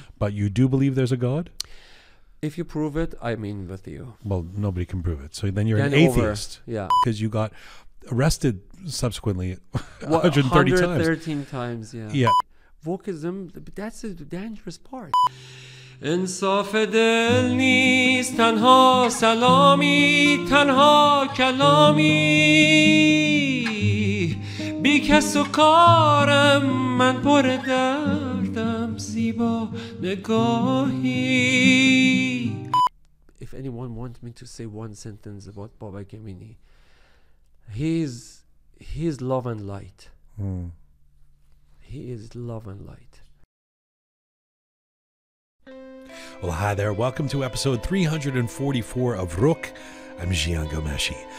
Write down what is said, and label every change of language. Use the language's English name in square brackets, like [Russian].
[English] But you do believe there's a God? If you prove it, I'm in with you. Well, nobody can prove it. So then you're an atheist. Yeah. Because you got arrested subsequently 113 times. Yeah. Wokeism, that's the dangerous part. [Persian] انصاف دل نیست تنها سلامی تنها کلامی بی کس و کارم من پر دردم زیبا نگاهی. [English] If anyone want me to say one sentence about Baba Gemini, he's love and light. He is love and light. Well, hi there. Welcome to episode 344 of Roqe. I'm Jian Gomeshi.